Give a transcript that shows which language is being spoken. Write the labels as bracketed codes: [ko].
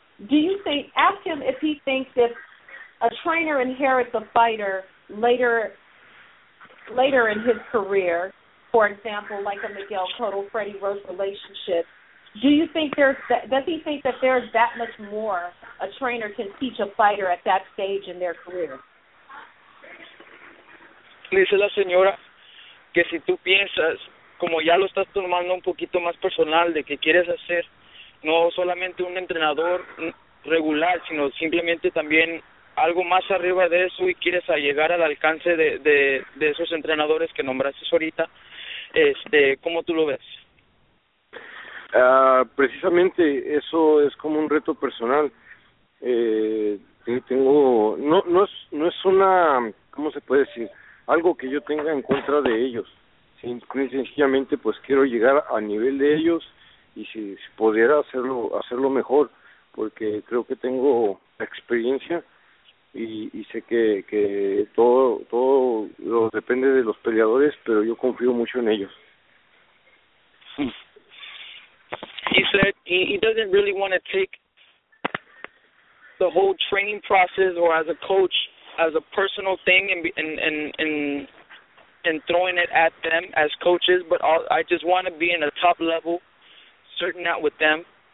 [en] Do you think, ask him if he thinks if a trainer inherits a fighter later in his career, for example, like a Miguel Cotto, Freddie Roach relationship, do you think does he think that there's that much more a trainer can teach a fighter at that stage in their career? [es] Dice la señora que si tú piensas, como ya lo estás tomando un poquito más personal, de que quieres hacer no solamente un entrenador regular, sino simplemente también algo más arriba de eso y quieres a llegar al alcance de esos entrenadores que nombraste ahorita, ¿cómo tú lo ves? Precisamente eso es como un reto personal. No es una, ¿cómo se puede decir? Algo que yo tenga en contra de ellos. Sencillamente, pues quiero llegar al nivel de ellos y si pudiera hacerlo mejor, porque creo que tengo experiencia y sé que todo lo depende de los peleadores, pero yo confío mucho en ellos. [en] He said he doesn't really want to take the whole training process or as a coach as a personal thing and throwing it at them as coaches, but I just want to be in a top level, certain out with them.